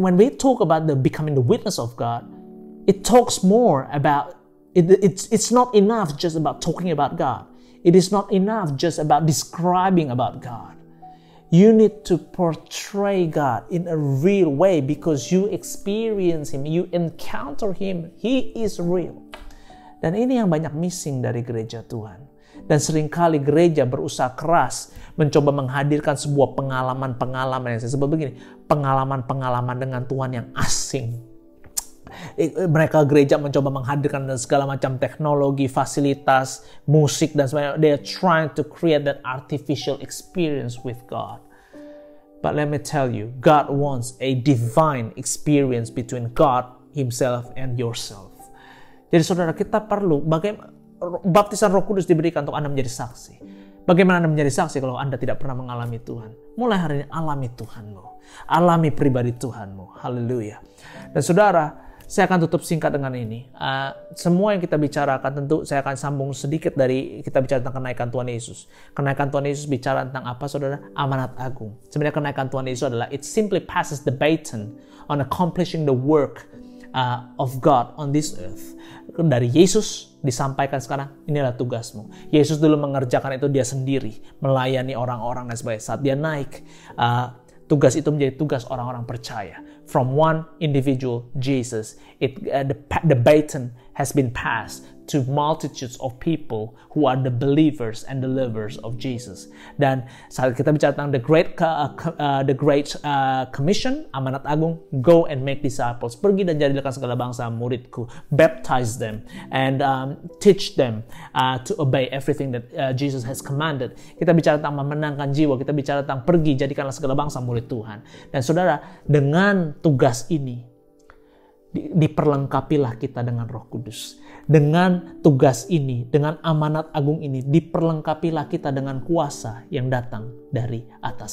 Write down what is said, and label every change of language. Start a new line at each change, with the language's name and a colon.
English: When we talk about the becoming the witness of God, it talks more about, it's not enough just about talking about God. It is not enough just about describing about God. You need to portray God in a real way because you experience Him, you encounter Him. He is real.
Indonesian: Dan ini yang banyak missing dari gereja Tuhan. Dan seringkali gereja berusaha keras mencoba menghadirkan sebuah pengalaman-pengalaman yang saya sebut begini, pengalaman-pengalaman dengan Tuhan yang asing. Mereka gereja mencoba menghadirkan segala macam teknologi, fasilitas, musik dan sebagainya.
English: They are trying to create that artificial experience with God. But let me tell you, God wants a divine experience between God Himself and yourself.
Indonesian: Jadi saudara, kita perlu bagaimana baptisan Roh Kudus diberikan untuk Anda menjadi saksi. Bagaimana Anda menjadi saksi kalau Anda tidak pernah mengalami Tuhan? Mulai hari ini alami Tuhanmu. Alami pribadi Tuhanmu. Haleluya. Dan saudara, saya akan tutup singkat dengan ini. Semua yang kita bicarakan tentu saya akan sambung sedikit dari kita bicara tentang kenaikan Tuhan Yesus. Kenaikan Tuhan Yesus bicara tentang apa, saudara? Amanat agung. Sebenarnya kenaikan Tuhan Yesus adalah
English: it simply passes the baton on accomplishing the work of God on this earth.
Indonesian: Dari Yesus disampaikan sekarang, inilah tugasmu. Yesus dulu mengerjakan itu dia sendiri, melayani orang-orang dan sebagainya. Saat dia naik, tugas itu menjadi tugas orang-orang percaya.
English: From one individual, Jesus, the baton has been passed to multitudes of people who are the believers and the lovers of Jesus.
Indonesian: Dan saat kita bicara tentang
English: the great commission,
Indonesian: amanat agung,
English: go and make disciples.
Indonesian: Pergi dan jadilah segala bangsa muridku.
English: Baptize them and teach them to obey everything that Jesus has commanded.
Indonesian: Kita bicara tentang memenangkan jiwa. Kita bicara tentang pergi, jadikanlah segala bangsa murid Tuhan. Dan saudara, dengan tugas ini, diperlengkapilah kita dengan Roh Kudus. Dengan tugas ini, dengan amanat agung ini, diperlengkapilah kita dengan kuasa yang datang dari atas.